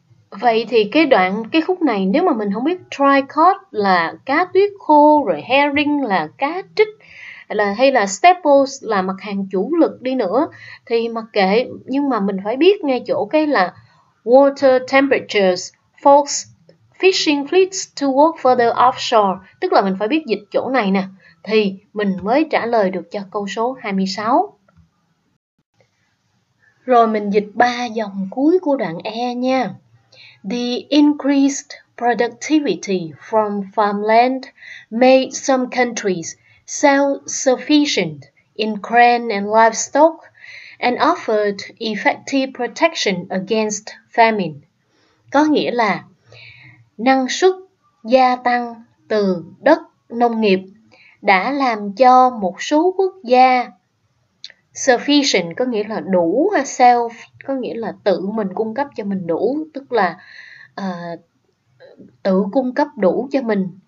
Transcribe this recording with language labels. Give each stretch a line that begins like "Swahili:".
Vietnamese: Vậy thì cái khúc này, nếu mà mình không biết tricod là cá tuyết khô, rồi herring là cá trích, hay là staples là mặt hàng chủ lực đi nữa, thì mặc kệ, nhưng mà mình phải biết ngay chỗ cái là
English: water temperatures forced fishing fleets to work further offshore,
Vietnamese: tức là mình phải biết dịch chỗ này nè, thì mình mới trả lời được cho câu số 26. Rồi mình dịch 3 dòng cuối của đoạn E nha.
English: The increased productivity from farmland made some countries self-sufficient in grain and livestock and offered effective protection against famine.
Vietnamese: Có nghĩa là năng suất gia tăng từ đất nông nghiệp đã làm cho một số quốc gia sufficient, có nghĩa là đủ, self, có nghĩa là tự mình cung cấp cho mình đủ, tức là tự cung cấp đủ cho mình.